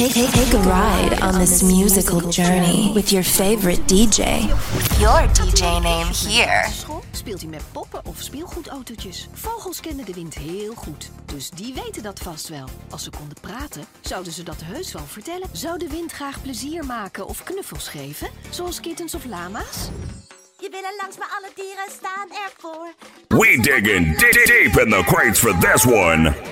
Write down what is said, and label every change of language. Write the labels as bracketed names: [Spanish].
[English] Take a ride on this musical journey with your favorite DJ. Your DJ name here. [Dutch] Speelt hij met poppen of speelgoedautootjes? Vogels kennen de wind heel goed, dus die weten dat vast wel. Als ze konden praten, zouden ze dat heus wel vertellen. Zou de wind graag plezier maken of knuffels geven, zoals kittens of lama's? Je willen langs me alle dieren staan ervoor. [English] We diggin' deep in the crates for this one.